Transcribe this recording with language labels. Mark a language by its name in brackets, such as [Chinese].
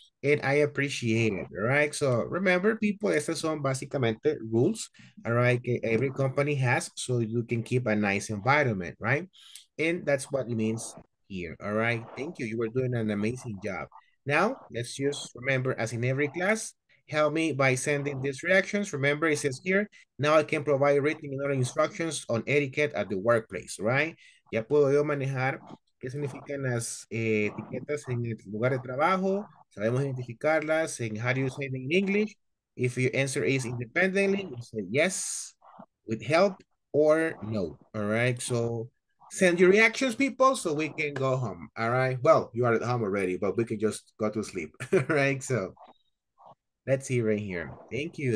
[English] And I appreciate it, all right? So remember, people, [Spanish] estas son básicamente [English] rules, all right, que every company has, so you can keep a nice environment, right? And that's what it means here, all right? Thank you. You were doing an amazing job. Now, let's just remember, as in every class, help me by sending these reactions. Remember, it says here, now I can provide written and other instructions on etiquette at the workplace, right? [Spanish] Ya puedo yo manejar qué significan las etiquetas en el lugar de trabajo. Sabemos identificarlas en [English] how do you say it in English. If your answer is independently, you say yes, with help, or no. All right, so send your reactions, people, so we can go home. All right, well, you are at home already, but we can just go to sleep. All right, so let's see right here. Thank you.